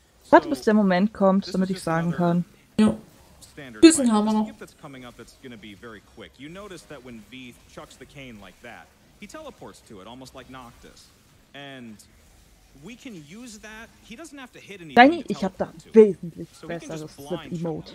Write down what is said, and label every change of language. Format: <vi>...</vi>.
<de>Warte, bis der Moment kommt, damit ich sagen kann. Ja. Bisschen haben wir noch.</de> <en>That's coming up, that's gonna be very quick. You notice that when V chucks the cane like that, he teleports to it almost like Noctis. And we can use that. He doesn't have to hit anything.</en> <de>Danny, ich hab da wesentlich besseres Slip Emote.</de>